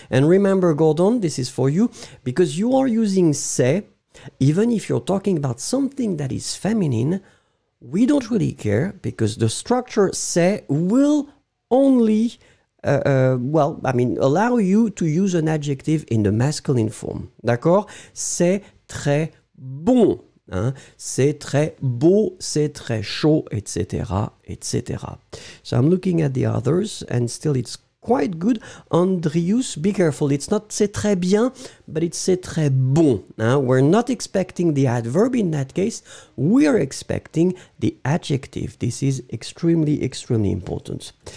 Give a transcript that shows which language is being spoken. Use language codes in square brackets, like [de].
[en] And remember, Gordon, this is for you, because you are using c'est, even if you're talking about something that is feminine, we don't really care, because the structure c'est will only, allow you to use an adjective in the masculine form. [fr] D'accord? C'est très bon. Hein? C'est très beau, c'est très chaud, etc., etc. [en] So I'm looking at the others, and still it's quite good. Andrius, be careful. It's not [fr] c'est très bien, [en] but it's [fr] c'est très bon. [en] Hein? We're not expecting the adverb in that case. We're expecting the adjective. This is extremely, extremely important.